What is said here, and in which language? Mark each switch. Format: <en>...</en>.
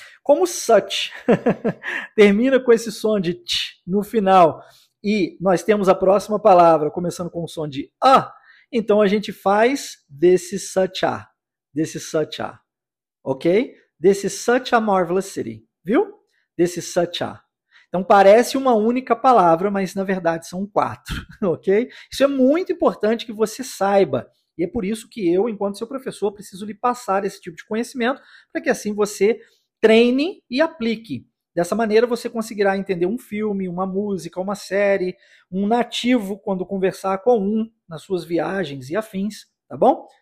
<pt>Como such termina com esse som de t no final, e nós temos a próxima palavra começando com o som de a, então a gente faz</pt> <en>this is such a,</en> <pt>ok?</pt> <en>This is such a marvelous city,</en> <pt>viu?</pt> <en>This is such a.</en> <pt>Então parece uma única palavra, mas na verdade são quatro, ok? Isso é muito importante que você saiba. E é por isso que eu, enquanto seu professor, preciso lhe passar esse tipo de conhecimento, para que assim você treine e aplique. Dessa maneira você conseguirá entender um filme, uma música, uma série, um nativo quando conversar com um nas suas viagens e afins, tá bom?</pt>